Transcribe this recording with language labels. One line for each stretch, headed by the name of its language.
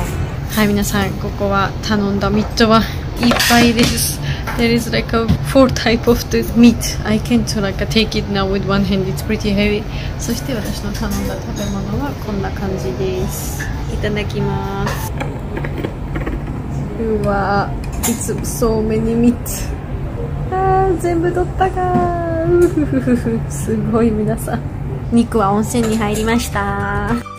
Japanese: はい、皆さん、ここは頼んだミートはいっぱいです。
English: There is like a four type of the meat. I can't like take it now with one hand. It's pretty heavy.
Japanese: そして私の頼んだ食べ物はこんな感じです。いただきます。うわー、
English: It's so many meat.
Japanese: あー、全部取ったかすごい皆さん、肉は温泉に入りました。